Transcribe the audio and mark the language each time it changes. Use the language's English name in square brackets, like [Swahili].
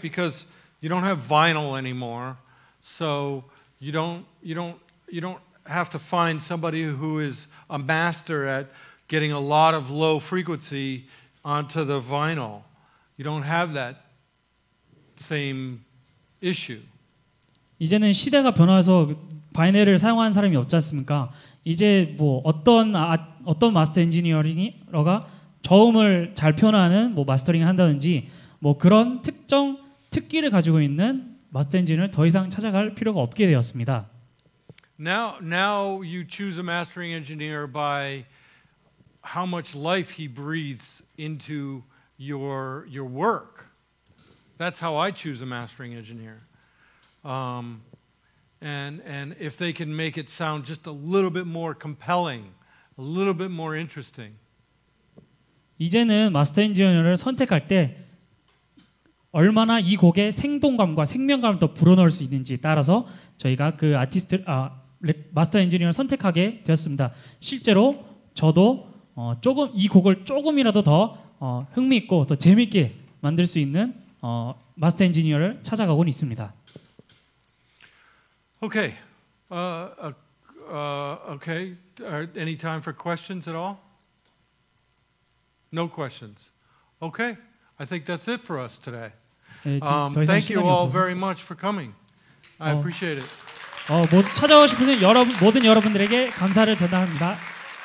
[English] Because you don't have vinyl anymore, so you don't have to find somebody who is a master at getting a lot of low frequency onto the vinyl. You don't have that same issue. [Korean] 이제는 시대가 변화해서 바이닐을 사용하는 사람이 없지 않습니까? 이제 뭐 어떤 마스터 엔지니어가 저음을 잘 표현하는 뭐 마스터링을 한다든지 뭐 그런 특정 특기를 가지고 있는 마스터 엔지니어를 더 이상 찾아갈 필요가 없게 되었습니다. [English] Now you choose a mastering engineer by how much life he breathes into your work. That's how I choose a mastering engineer. And if they can make it sound just a little bit more compelling, a little bit more interesting. [Korean] 이제는 마스터 엔지니어를 선택할 때 얼마나 이 곡의 생동감과 생명감을 더 불어넣을 수 있는지 따라서 저희가 그 아티스트 마스터 엔지니어를 선택하게 되었습니다. 실제로 저도 조금 이 곡을 조금이라도 더 흥미있고 더 재미있게 만들 수 있는 마스터 엔지니어를 찾아가곤 있습니다. [English] Okay. Okay. Any time for questions at all? No questions. Okay, I think that's it for us today. Thank you all very much for coming. I appreciate it. [Korean] 찾아오신 모든 여러분들에게 감사를 전합니다.